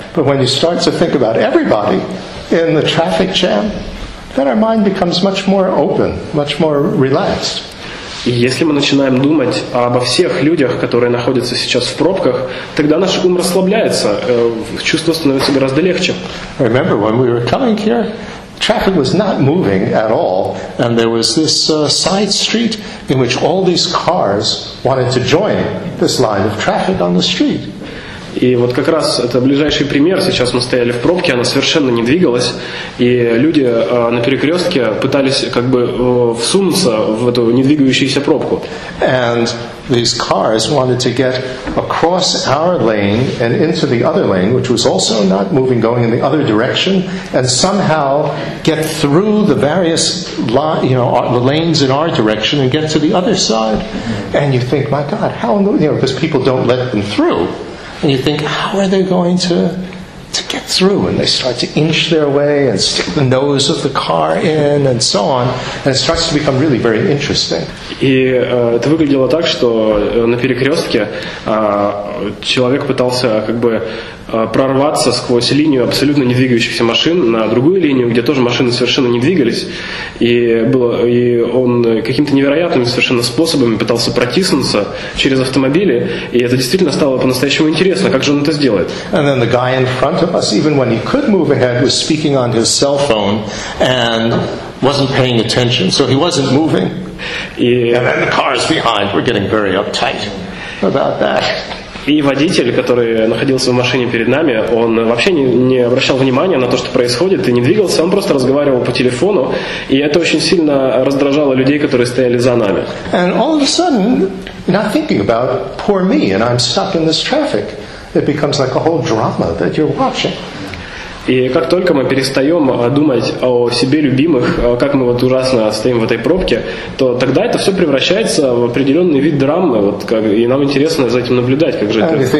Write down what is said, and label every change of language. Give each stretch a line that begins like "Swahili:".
English: But when you start to think about everybody in the traffic jam, then our mind becomes much more open, much more relaxed.
Russian: И если мы начинаем думать обо всех людях, которые находятся сейчас в пробках, тогда наш ум расслабляется, чувство становится гораздо легче.
English: Remember when we were coming here? Traffic was not moving at all, and there was this side street in which all these cars wanted to join this line of traffic on the street.
Russian: И вот как раз это ближайший пример. Сейчас мы стояли в пробке, она совершенно не двигалась, и люди на перекрестке пытались как бы всунуться в эту недвигающуюся пробку.
English: And these cars wanted to get across our lane and into the other lane, which was also not moving, going in the other direction, and somehow get through the various the lanes in our direction and get to the other side. And you think, my God, how in the, because people don't let them through. And you think, how are they going to get through? And they start to inch their way and stick the nose of the car in and so on. And it starts to become really very interesting.
Russian: И это выглядело так, что на перекрестке человек пытался как бы прорваться сквозь линию абсолютно недвигающихся машин на другую линию, где тоже машины совершенно не двигались. И он каким-то невероятными совершенно способами пытался протиснуться через автомобили. И это действительно стало по-настоящему интересно, как же он это сделает.
English: And then the guy in front of us, even when he could move ahead, was speaking on his cell phone and wasn't paying attention. So he wasn't moving. And then the cars behind were getting very uptight about that.
Russian: И водитель, который находился в машине перед нами, он вообще не обращал внимания на то, что происходит, и не двигался, он просто разговаривал по телефону, и это очень сильно раздражало людей, которые стояли за нами.
English: And all of a sudden, not thinking about poor me, and I'm stuck in this traffic, it becomes like a whole drama that you're watching.
Russian: И как только мы перестаем думать о себе любимых, как мы вот ужасно стоим в этой пробке, то тогда это все превращается в определенный вид драмы, вот как, и нам интересно за этим наблюдать, как же это